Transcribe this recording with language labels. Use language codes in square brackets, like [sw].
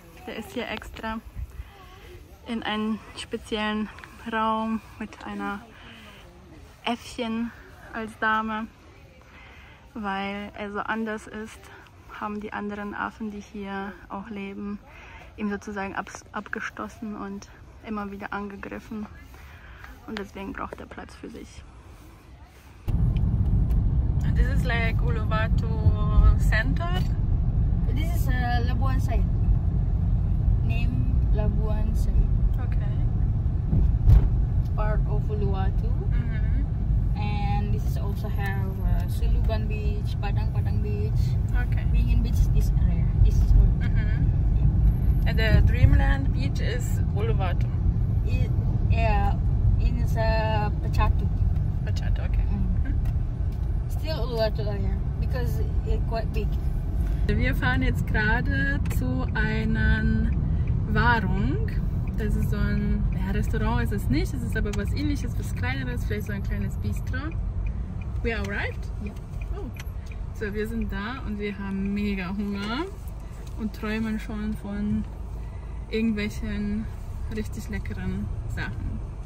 [de] Der ist hier extra in einen speziellen Raum mit einer Äffchen als Dame. Weil er so anders ist, haben die anderen Affen, die hier auch leben, ihm sozusagen abgestoßen und immer wieder angegriffen und deswegen braucht er Platz für sich. [en] This is like Uluwatu Center. This is Labuan Sayid. Name Labuan Sayid. Okay. Part of Uluwatu. Mm-hmm. And this is also have Suluban Beach, Padang Padang Beach. Okay. Being in beach this area. This is Uluwatu. Mm-hmm. And the Dreamland Beach is Uluwatu. It's Pechatu. Pechatu, okay. Mm-hmm. Still Uluwatu area, because it's quite big. [de] Wir fahren jetzt gerade zu einer Warung. Das ist so ein Restaurant, ist es nicht. Es ist aber was ähnliches, was kleineres, vielleicht so ein kleines Bistro. [en] We arrived? [de] Ja. Yeah. Oh. So, wir sind da und wir haben mega Hunger und träumen schon von irgendwelchen richtig leckeren Sachen.